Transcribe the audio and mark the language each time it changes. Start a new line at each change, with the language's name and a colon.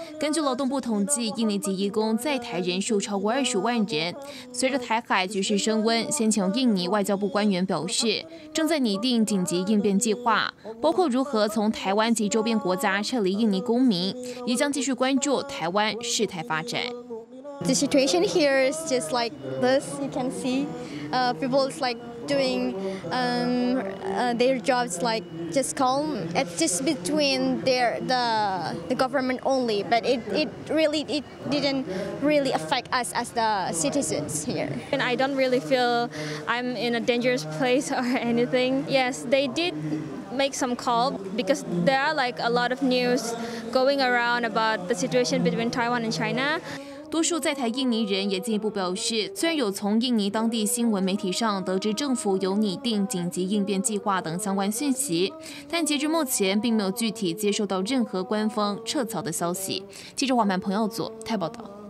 Chinese: 根据劳动部统计，印尼籍移工在台人数超过200,000人。随着台海局势升温，先前印尼外交部官员表示，正在拟定紧急应变计划，包括如何从台湾及周边国家撤离印尼公民，也将继续关注台湾事态发展。
English: The situation here is just like this. You can see, people is like doing their jobs like just calm. It's just between the government only, but it didn't really affect us as the citizens here. And I don't really feel I'm in a dangerous place or anything. Yes, they did. Make some call because there are like a lot of news going around about the situation between Taiwan and China.
Chinese: 多数在台印尼人也进一步表示，虽然有从印尼当地新闻媒体上得知政府有拟定紧急应变计划等相关讯息，但截至目前并没有具体接受到任何官方撤侨的消息。记者黄曼彭耀祖台报道。